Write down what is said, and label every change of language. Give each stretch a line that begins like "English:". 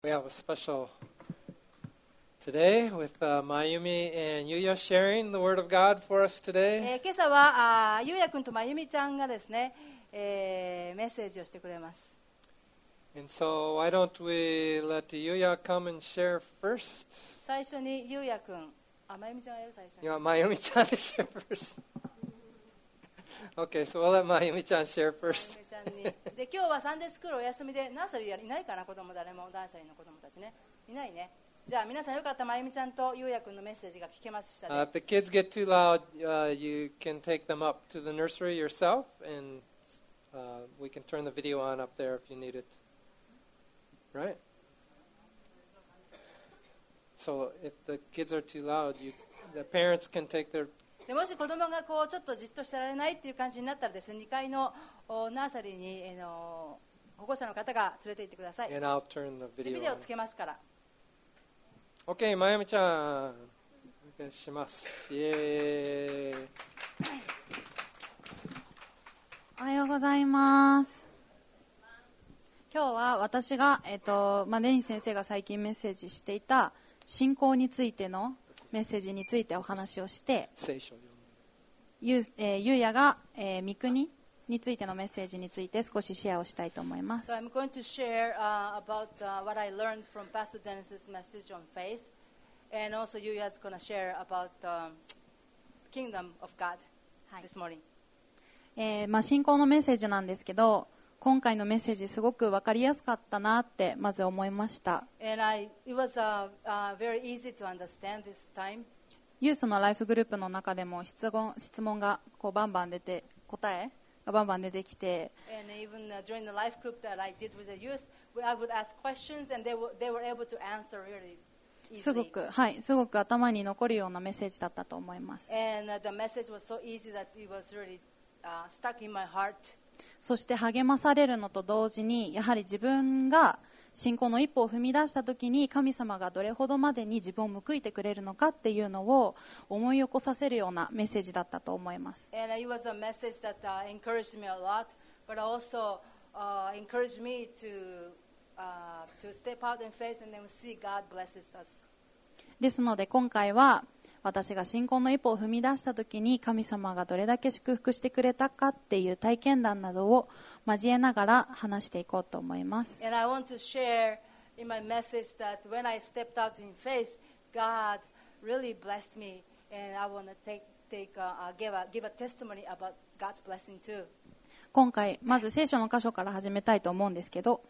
English: We have a special today with Mayumi and Yuya sharing the word of God for us today.
Japanese: 今朝は、ゆうや君とまゆみちゃんがですね、メッセージをしてくれます。
English: And so why don't we let Yuya come and share first?
Japanese: 最初にゆうや君、まゆみちゃんがやる最初に。
English: You want Mayumi ちゃんと share first? Okay, so we'll let Mayumi-chan share first.
Japanese: で今日はサンデースクールお休みでナーサリーいないかな子供誰もナーサリーの子供たちねいないねじゃあ皆さんよかったまゆみちゃんとゆうやくんのメッセージが聞けました
English: ね If the kids get too loud, you can take them up to the nursery yourself and we can turn the video on up there if you need it. Right? So if the kids are too loud, the parents can take their...
Japanese: でもし子供がこうちょっとじっとしてられないっていう感じになったらですね2階のナーサリーに保護者の方が連れて行ってください
English: And I'll turn the video
Japanese: ビデオつけますから OK まゆみちゃんお願いしますイエーイおはようございます今日は私が、デニス先生が最近メッセージしていた信仰についてのメッセージについてお話をして聖書ゆうやが、御国についてのメッセージについて少しシェアをしたいと思います。
English: So I'm going to share about what I learned from Pastor Dennis's message on faith, and also Yuya's going to share about the kingdom of God this morning.
Japanese: 信仰のメッセージなんですけど、今回のメッセージすごく分かりやすかったなってまず思いました。
English: And it was very easy to understand this time.
Japanese: ユースのライフグループの中でも質問がこうバンバン出て答えがバンバン出てきて
English: And even during the life group that I did with the youth, I would ask questions and they were able to answer really easily.
Japanese: すごく頭に残るようなメッセージだったと思います。
English: And the message was so easy that it was really stuck in my heart.
Japanese: そして励まされるのと同時にやはり自分が信仰の一歩を踏み出したときに神様がどれほどまでに自分を報いてくれるのかっていうのを思い起こさせるようなメッセージだったと思います。
English: And it was a message that encouraged me a lot, but also encouraged me to step out in faith and then see God blesses us.
Japanese: ですので今回は私が信仰の一歩を踏み出したときに神様がどれだけ祝福してくれたかっていう体験談などを交えながら話していこうと思います。
English: And I want to share in my message that when I stepped out in faith, God really blessed me, and I want to give a testimony about God's blessing too.
Japanese: 今回まず聖書の箇所から始めたいと思うんですけど。